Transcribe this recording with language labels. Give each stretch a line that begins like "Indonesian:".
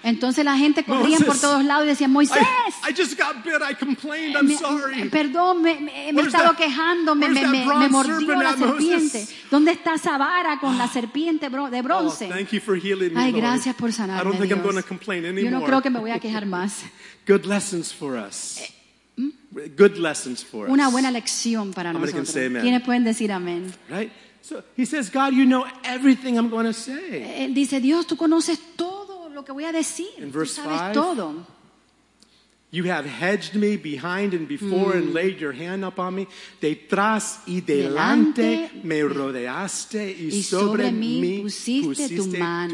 Spanish: entonces la gente corría por todos lados y decía, Moisés,
English: I just got bit, I complained, I'm sorry.
Spanish: Perdón, me estaba quejando, me mordió la serpiente. ¿Dónde está esa vara con la serpiente de bronce?
English: Oh, thank you for healing me,
Spanish: ay, gracias por sanarme,
English: I don't think
Spanish: Dios.
English: I'm going to complain anymore.
Spanish: Yo no creo que me voy a quejar más.
English: Good lessons for us. Good lessons for us.
Spanish: Una buena lección para nosotros.
English: How many can say amen?
Spanish: ¿Quiénes pueden decir amén?
English: Right? So he says, God, you know everything I'm going to say.
Spanish: Él dice, Dios, tú conoces todo lo que voy a decir.
English: In verse 5,
Spanish: tú sabes todo.
English: You have hedged me behind and before and laid your hand upon me.
Spanish: Detrás y delante me rodeaste y sobre mí pusiste tu mano.